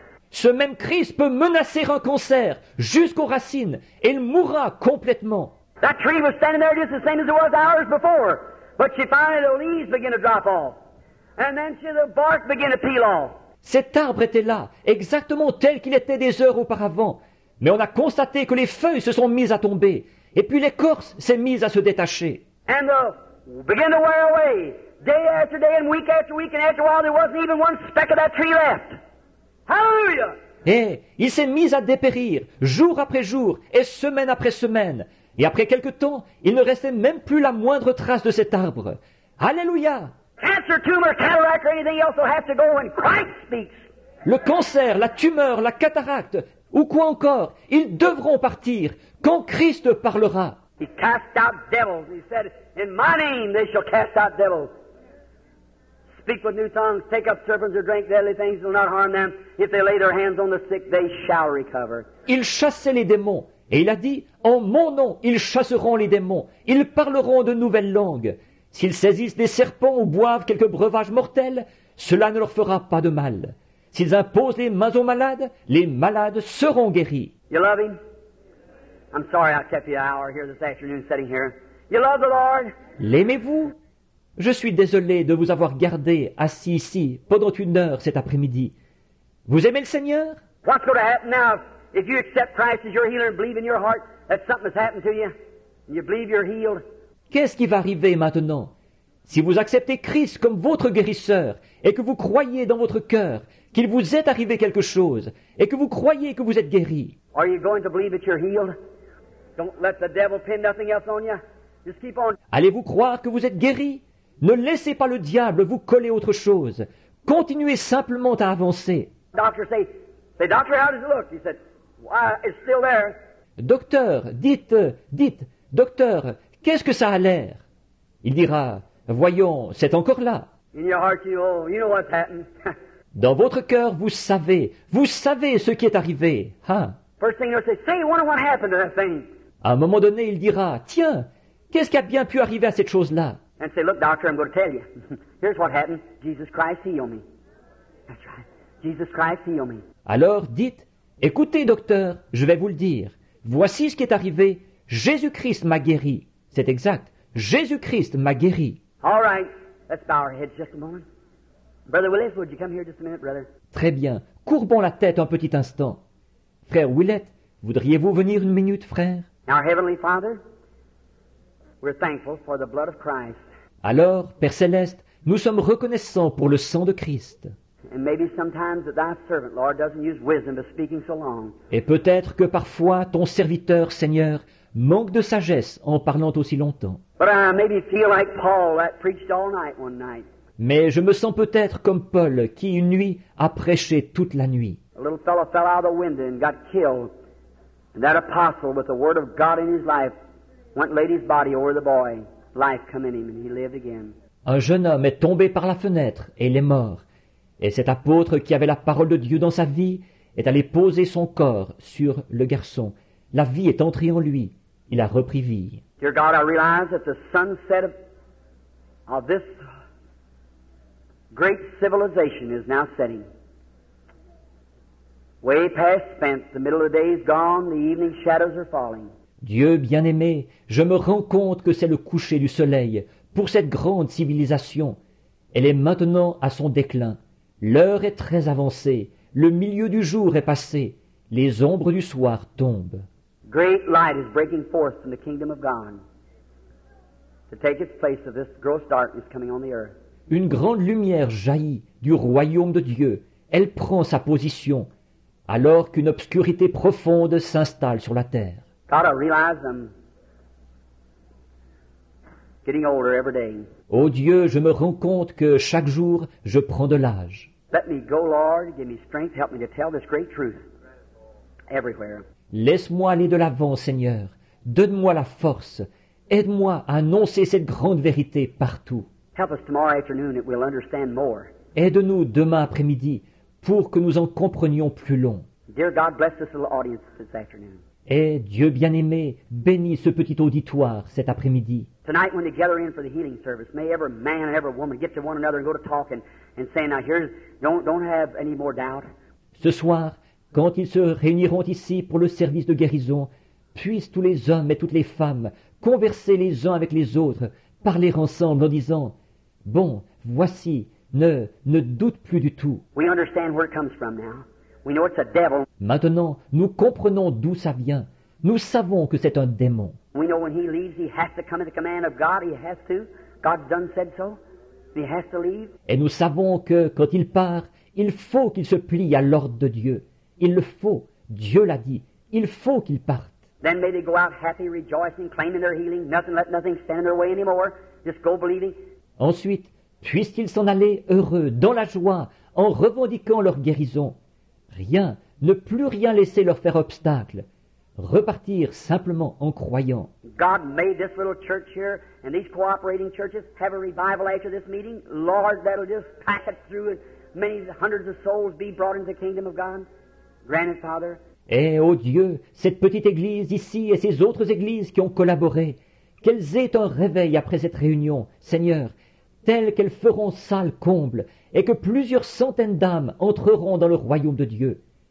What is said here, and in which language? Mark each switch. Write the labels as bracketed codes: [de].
[fr] Ce même Christ peut menacer un cancer jusqu'aux racines et il mourra complètement. [en] That tree was standing there just the same as it was hours before. But she finally, the leaves begin to drop off. And then she, the bark begin to peel off. [fr] Cet arbre était là, exactement tel qu'il était des heures auparavant. Mais on a constaté que les feuilles se sont mises à tomber. Et puis l'écorce s'est mise à se détacher. [en] And the begin to wear away. Day after day and week after week and after a while there wasn't even one speck of that tree left. Hallelujah! [fr] Et il s'est mis à dépérir, jour après jour et semaine après semaine. Et après quelque temps, il ne restait même plus la moindre trace de cet arbre. Alléluia! [en] Cancer, tumor, cataract, or anything else will have to go when Christ speaks. [fr] Le cancer, la tumeur, la cataracte, ou quoi encore, ils devront partir quand Christ parlera. [en] He cast out devils. He said, in my name they shall cast out devils. Speak with new tongues, take up serpents or drink deadly things, it will not harm them. If they lay their hands on the sick, they shall recover. [fr] Il chassait les démons, et il a dit, en mon nom, ils chasseront les démons. Ils parleront de nouvelles langues. S'ils saisissent des serpents ou boivent quelques breuvages mortels, cela ne leur fera pas de mal. S'ils imposent les mains aux malades, les malades seront guéris. [en] You love him? I'm sorry I kept you an hour here this afternoon sitting here. You love the Lord? [fr] L'aimez-vous? Je suis désolé de vous avoir gardé assis ici pendant une heure cet après-midi. Vous aimez le Seigneur? [en] What's going to happen now if you accept Christ as your healer and believe in your heart that something has happened to you, and you believe you're healed. [fr] Qu'est-ce qui va arriver maintenant? Si vous acceptez Christ comme votre guérisseur et que vous croyez dans votre cœur qu'il vous est arrivé quelque chose et que vous croyez que vous êtes guéri. [en] Are you going to believe that you're healed? Don't let the devil pin nothing else on you. Just keep on. [fr] Allez-vous croire que vous êtes guéri? Ne laissez pas le diable vous coller autre chose. Continuez simplement à avancer. [en] Doctor say, say doctor, how does it look? He said, why, it's still there. [fr] Docteur, dites, docteur, qu'est-ce que ça a l'air? Il dira, voyons, c'est encore là. [en] In your heart, you know, you know what's happened. [fr] Dans votre cœur, vous savez ce qui est arrivé. Huh? [en] First thing you'll say, say, I wonder what happened to that thing. [fr] À un moment donné, il dira, tiens, qu'est-ce qui a bien pu arriver à cette chose-là? [en] And say, look, doctor, I'm going to tell you. Here's what happened. Jesus Christ healed me. That's right. Jesus Christ healed me. [fr] Alors, dites, écoutez, docteur, je vais vous le dire. Voici ce qui est arrivé. Jésus-Christ m'a guéri. C'est exact. Jésus-Christ m'a guéri. [en] All right. Let's bow our heads just a moment. Brother Willis, would you come here just a minute, brother? [fr] Très bien. Courbons la tête un petit instant. Frère Willett, voudriez-vous venir une minute, frère? [en] Our Heavenly Father, we're thankful for the blood of Christ. [fr] Alors, Père Céleste, nous sommes reconnaissants pour le sang de Christ. [en] And maybe sometimes that thy servant, Lord, doesn't use wisdom to speaking so long. [fr] Et peut-être que parfois ton serviteur, Seigneur, manque de sagesse en parlant aussi longtemps. [en] But I maybe feel like Paul that preached all night one night. [fr] Mais je me sens peut-être comme Paul qui, une nuit, a prêché toute la nuit. [en] A little fellow fell out of the window and got killed. And that apostle with the word of God in his life went and laid his body over the boy. Life come in him and he lived again. [fr] Un jeune homme est tombé par la fenêtre et il est mort. Et cet apôtre qui avait la parole de Dieu dans sa vie est allé poser son corps sur le garçon. La vie est entrée en lui. Il a repris vie. [en] Dear God, I realize that the sunset of this great civilization is now setting. Way past spent, the middle of the day is gone, the evening shadows are falling. [fr] Dieu bien-aimé, je me rends compte que c'est le coucher du soleil pour cette grande civilisation. Elle est maintenant à son déclin. L'heure est très avancée. Le milieu du jour est passé. Les ombres du soir tombent. [en] Great light is breaking forth from the kingdom of God to take its place of this gross darkness coming on the earth. [fr] Une grande lumière jaillit du royaume de Dieu. Elle prend sa position alors qu'une obscurité profonde s'installe sur la terre. [en] God, I realize I'm getting older every day. [fr] Oh Dieu, je me rends compte que chaque jour, je prends de l'âge. [en] Let me go, Lord. Give me strength. Help me to tell this great truth everywhere. [fr] Laisse-moi aller de l'avant, Seigneur. Donne-moi la force. Aide-moi à annoncer cette grande vérité partout. [en] Help us tomorrow afternoon that we'll understand more. [fr] Aide-nous demain après-midi pour que nous en comprenions plus long. [en] Dear God, bless this little audience this afternoon. [fr] Et Dieu bien-aimé, bénis ce petit auditoire cet après-midi. [en] Tonight when they gather in for the healing service, may every man and every woman get to one another and go to talk and say, now here's, don't have any more doubt. [fr] Ce soir, quand ils se réuniront ici pour le service de guérison, puissent tous les hommes et toutes les femmes converser les uns avec les autres, parler ensemble en disant, bon, voici, ne doute plus du tout. [en] We understand where it comes from now. We know it's a devil. [fr] Maintenant, nous comprenons d'où ça vient. Nous savons que c'est un démon. [en] We know when he leaves, he has to come at the command of God. He has to. God's done said so. He has to leave. [fr] Et nous savons que quand il part, il faut qu'il se plie à l'ordre de Dieu. Il le faut. Dieu l'a dit. Il faut qu'il parte. [en] Then may they go out happy, rejoicing, claiming their healing. Nothing, let nothing stand in their way anymore. Just go believing. [fr] Ensuite, puissent-ils s'en aller heureux, dans la joie, en revendiquant leur guérison. Rien, ne plus rien laisser leur faire obstacle. Repartir simplement en croyant. [en] God made this little church here and these cooperating churches have a revival after this meeting. Lord, that'll just pack it through and many hundreds of souls be brought into the kingdom of God. Grant it, Father. [fr] Eh, oh Dieu, cette petite église ici et ces autres églises qui ont collaboré, qu'elles aient un réveil après cette réunion, Seigneur, telles qu'elles feront salle comble et que plusieurs centaines d'âmes entreront dans le royaume de Dieu.